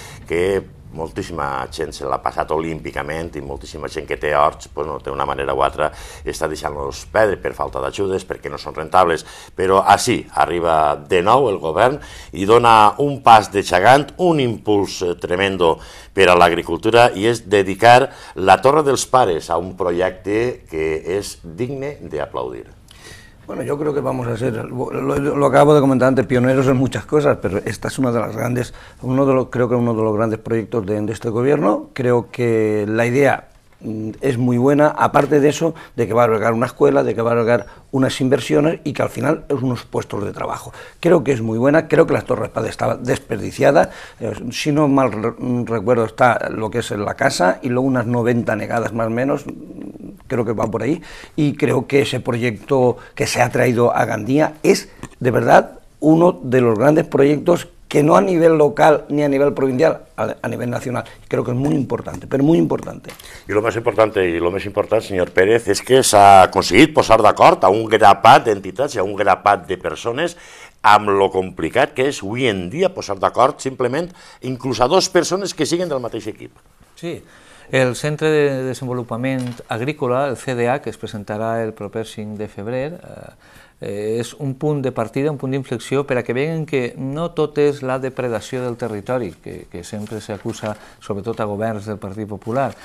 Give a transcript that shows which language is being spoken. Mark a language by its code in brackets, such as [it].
[ca] que moltíssima gent se l'ha passat olímpicament i moltíssima gent que té horts d'una manera o altra està deixant-los perdre per falta d'ajudes, perquè no són rentables, però així arriba de nou el govern i dona un pas de gegant, un impuls tremendo per a l'agricultura, i és dedicar la Torre dels Pares a un projecte que és digne d'aplaudir. [es] Bueno, yo creo que vamos a ser, lo acabo de comentar antes, pioneros en muchas cosas, pero esta es una de las grandes, creo que uno de los grandes proyectos de este gobierno. Creo que la idea es muy buena, aparte de eso, de que va a albergar una escuela, de que va a albergar unas inversiones y que al final es unos puestos de trabajo. Creo que es muy buena, creo que la Torre Espada estaba desperdiciada, si no mal recuerdo está lo que es en la casa y luego unas 90 negadas más o menos, creo que va por ahí, y creo que ese proyecto que se ha traído a Gandía es de verdad uno de los grandes proyectos que no a nivel local ni a nivel provincial, a nivel nacional. Creo que es muy importante, pero muy importante. Y lo más importante, señor Pérez, es que se ha conseguido [ca] posar d'acord a un grapat d'entitats y a un grapat de persones amb lo complicat que és avui en dia posar d'acord simplement inclús a dos persones que siguen del mateix equip. Sí. El Centre de Desenvolupament Agrícola, el CDA, que es presentarà el proper 5 de febrer, és un punt de partida, un punt d'inflexió perquè vegin que no tot és la depredació del territori, que sempre s'acusa, sobretot a governs del Partit Popular.